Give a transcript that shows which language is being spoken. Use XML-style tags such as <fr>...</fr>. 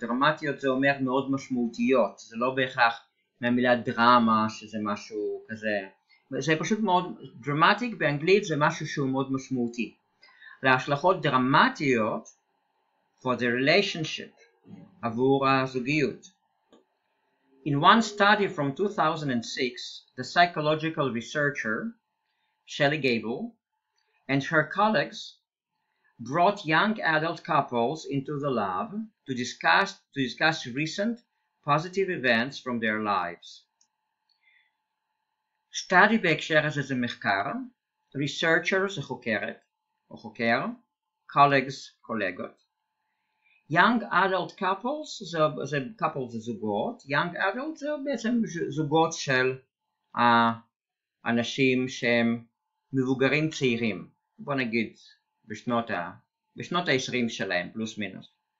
<he>דרמטיות זה אומר מאוד משמעותיות, זה לא בהכרח מהמילה דרמה שזה משהו כזה, זה פשוט מאוד דרמטיק, באנגלית זה משהו שהוא מאוד משמעותי, להשלכות דרמטיות</he> <en>for the relationship,</en> <he>עבור הזוגיות.</he> <en>In one study from 2006, the psychological researcher Shelley Gable and her colleagues brought young adult couples into the lab to discuss recent positive events from their lives.</en> <he>Study בהקשר הזה זה מחקר, researcher זה חוקרת או חוקר, colleagues קולגות. Young adult couples זה couples זה זוגות, young adult זה בעצם זוגות של אנשים שהם מבוגרים צעירים, בוא נגיד בשנות ה-20 שלהם, פלוס מינוס.</he>